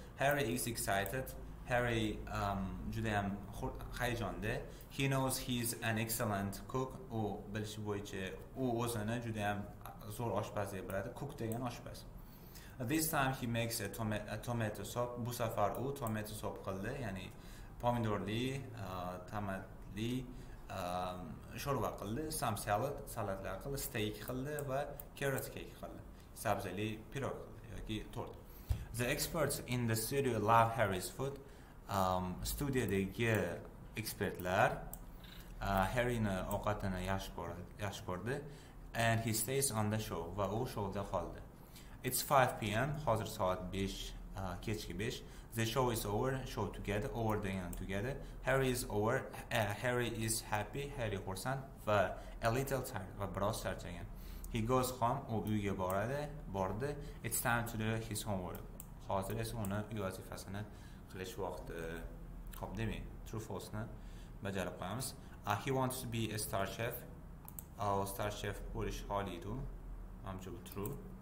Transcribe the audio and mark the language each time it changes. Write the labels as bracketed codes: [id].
[en] Harry is excited. [uz] Harry juda ham hayajonda. [en] He knows he's an excellent cook. [uz] U bilishi bo'yicha u o'zini juda ham zo'r oshpaz deb biladi. Cook degan oshpaz. [en] This time he makes a tomato soup. [uz] Bu safar u tomato soup qildi, ya'ni pomidorli, tomatli sho'rva qildi, sam salad, salatlar qildi, steak qildi va carrot cake qildi. Sabzali pirog yoki tort. [en] The experts in the studio love Harry's food. [uz] Studiyadagi ekspertlar Harry'ni ovqatini yaxshi ko'rdi. [en] And he stays on the show. [uz] Va u shouda qoldi. [en] It's 5 p.m. [uz] Hozir soat 5 kechki 5. [en] The show is over. Show together. Over again together. Harry is over. Harry is happy. [uz] Harry xursand. [en] Va a little tired. [uz] Va biroz charchagan. [en] He goes home. [uz] U uyga boradi. Bordi. [en] It's time to do his homework. [uz] Hozir esa uni uy vazifasini qilish vaqti. Xo'p, demak, true false-ni bajarib qo'yamiz. [en] He wants to be a star chef. [uz] Star chef bo'lish xohlaydi. Menimcha bu true.